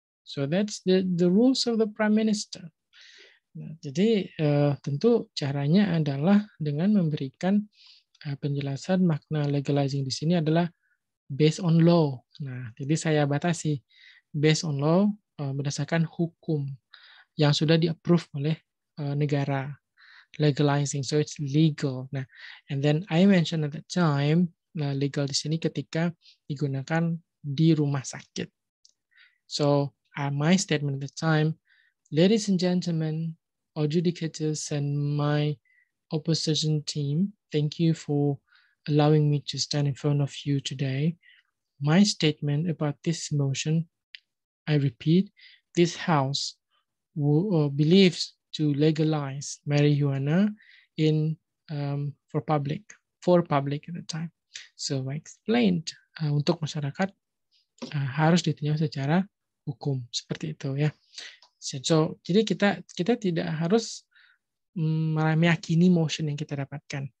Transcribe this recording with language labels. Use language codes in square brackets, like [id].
[en] So that's the rules of the prime minister. [id] Nah, jadi tentu caranya adalah dengan memberikan penjelasan makna legalizing di sini adalah [en] based on law. [id] Nah, jadi saya batasi [en] based on law, [id] berdasarkan hukum yang sudah di-approve oleh negara. [en] Legalizing, so it's legal. Nah, and then I mentioned at that time, nah, [id] legal di sini ketika digunakan di rumah sakit. [en] So, my statement at the time, ladies and gentlemen, adjudicators and my opposition team, thank you for allowing me to stand in front of you today. My statement about this motion, I repeat, this house believes to legalize marijuana in for public at the time. So, I explained [id] untuk masyarakat harus ditinjau secara hukum seperti itu ya. So, jadi kita tidak harus meyakini motion yang kita dapatkan.